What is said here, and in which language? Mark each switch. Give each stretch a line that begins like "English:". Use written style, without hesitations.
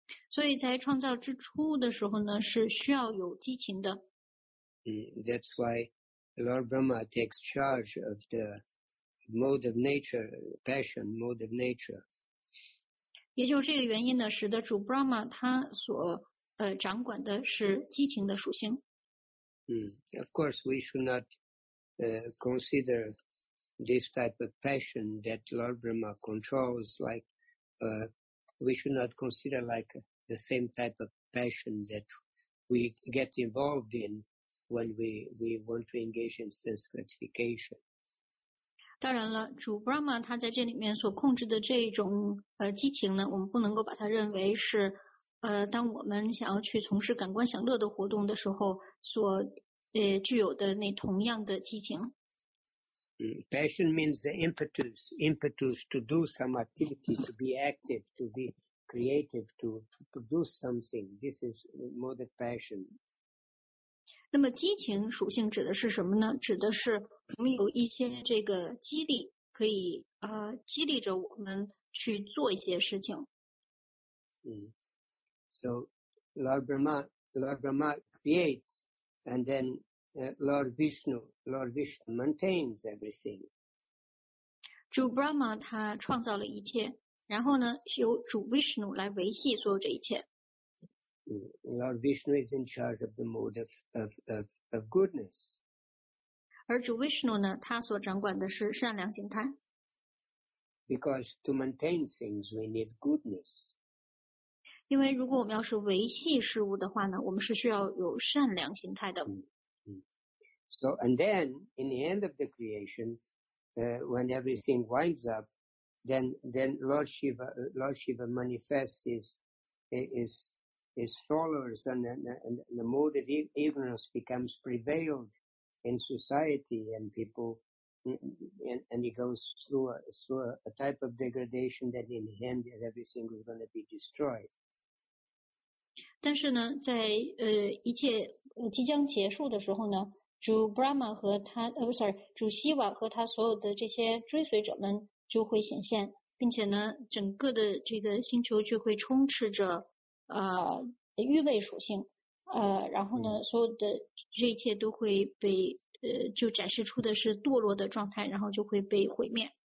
Chinese: 所以在创造之初的时候呢，是需要有激情的。
English: That's why Lord Brahma takes charge of the mode of nature, passion mode of nature.
Chinese: 也就是这个原因呢，使得主 Brahma 他所掌管的是激情的属性。
English: Of course, we should not consider this type of passion that Lord Brahma controls, like the same type of passion that we get involved in when we want to engage in sense gratification.
Chinese: 当然了，主 Brahma 他在这里面所控制的这种激情呢，我们不能够把它认为是当我们想要去从事感官享乐的活动的时候所具有的那同样的激情。
English: Passion means the impetus to do some activity, to be active, to be creative, to do something. This is more the passion.
Chinese: 那么激情属性指的是什么呢？指的是我们有一些这个激励，可以激励着我们去做一些事情。
English: So Lord Brahma creates, and then Lord Vishnu maintains everything.
Chinese: 主 Brahma 他创造了一切，然后呢，是由主 Vishnu 来维系所有这一切。
English: Lord Vishnu is in charge of the mode of goodness.
Chinese: 而主 Vishnu 呢，他所掌管的是善良形态。
English: Because to maintain things, we need goodness.
Chinese: 因为如果我们要是维系事物的话呢，我们是需要有善良形态的。
English: So and then in the end of the creation, when everything winds up, then Lord Shiva manifests his followers, and the mode of ignorance becomes prevailed in society and people, and he goes through a type of degradation that in the end everything is going to be destroyed.
Chinese: 但是呢，在一切即将结束的时候呢。主 Brahma 和他主 Shiva 和他所有的这些追随者们就会显现，并且呢，整个的这个星球就会充斥着欲味属性，然后呢，所有的这一切都会被就展示出的是堕落的状态，然后就会被毁灭。